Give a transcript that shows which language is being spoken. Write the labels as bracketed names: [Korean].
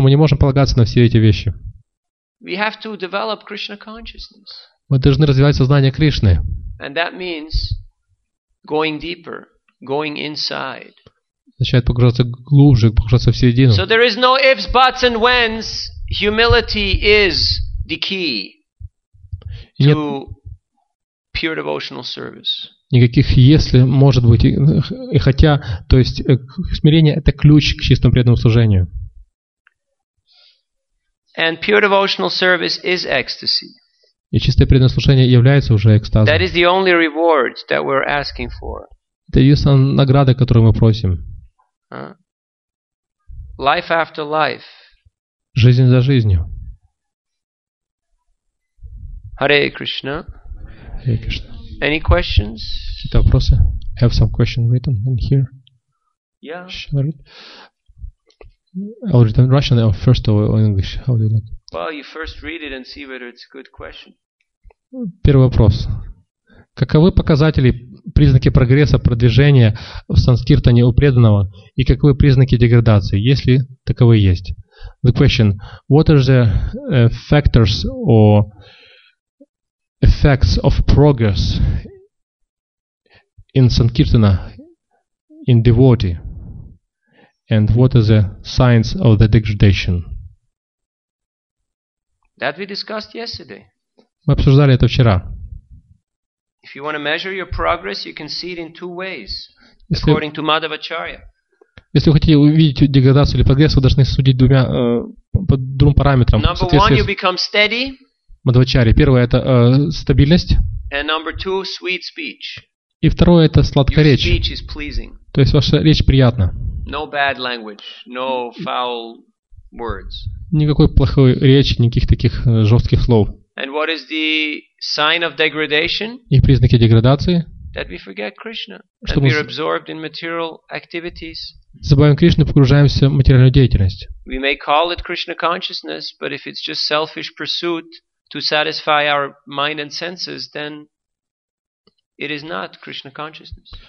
[Russian] Мы не можем полагаться на все эти вещи. [English] We have to develop Krishna consciousness. [Russian] Мы должны развивать сознание Кришны. [English] And that means going deeper, going inside. [Russian] Начинает погружаться глубже, погружаться в середину. [English] So there is no ifs, buts and whens. Humility is the key to pure devotional service. [Russian] Никаких если, может быть, и хотя, то есть смирение — это ключ к чистому преданному служению. [English] And pure devotional service is ecstasy. [Russian] И чистое преданное служение является уже экстазом. [English] That is the only reward that we're asking for. [Russian] Это единственная награда, которую мы просим. [English] Life after life. [Russian] Жизнь за жизнью. [English] Hare Krishna. Hare Krishna. Any questions? [Russian] Какие-то вопросы? [English] I have some questions written in here. Yeah. Shall I read? I'll read in Russian or first or English. How do you like? Well, you first read it and see whether it's a good question. [Russian] Первый вопрос. Каковы показатели, признаки прогресса, продвижения в санскиртане у преданного, и каковы признаки деградации, если таковые есть? [English] The question: what are the factors or effects of progress in sankirtana in devotee, and what are the signs of the degradation? That we discussed yesterday. [Russian] Мы обсуждали это вчера. [English] If you want to measure your progress, you can see it in two ways, according to Madhvacharya. [Russian] Если вы хотите увидеть деградацию или прогресс, вы должны судить двумя двум параметрам. [English] Number one, you become steady. [Russian] Мадхвачарья. Первое – это стабильность. [English] And number two, sweet speech. [Russian] И второе – это сладкая речь. [English] Your speech is pleasing. [Russian] То есть ваша речь приятна. [English] No bad language, no foul words. [Russian] Никакой плохой речи, никаких таких жестких слов. [English] And what is the sign of degradation? [Russian] И признаки деградации? [English] That we forget Krishna. That we are absorbed in material activities. [Russian] Забываем Кришну, погружаемся в материальную деятельность. [English] We may call it Krishna consciousness, but if it's just selfish pursuit to satisfy our mind and senses, then it is not Krishna consciousness.